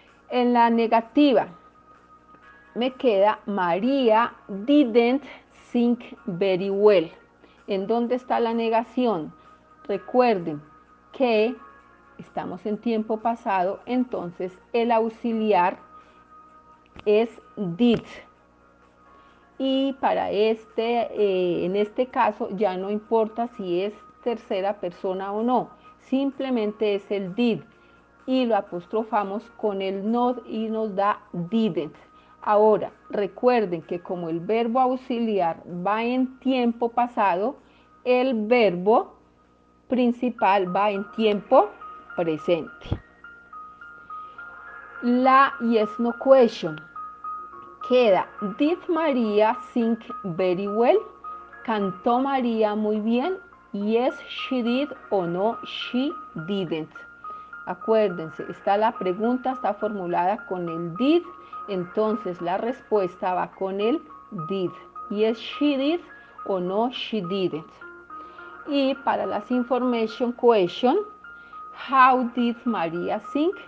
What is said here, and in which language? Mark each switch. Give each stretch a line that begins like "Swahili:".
Spanish: En la negativa, me queda
English: María didn't sing very well.
Spanish: ¿En dónde está la negación? Recuerden que estamos en tiempo pasado, entonces el auxiliar es did. Y para en este caso ya no importa si es tercera persona o no, simplemente es el did y lo apostrofamos con el not y nos da didn't. Ahora, recuerden que como el verbo auxiliar va en tiempo pasado, el verbo principal va en tiempo presente. La yes no question queda:
English: did María sing very well?
Spanish: ¿Cantó María muy bien?
English: Yes she did o no she didn't.
Spanish: Acuérdense, está la pregunta, está formulada con el did, entonces la respuesta va con el did.
English: Yes she did o no she didn't.
Spanish: Y para las
English: information question, how did María sing?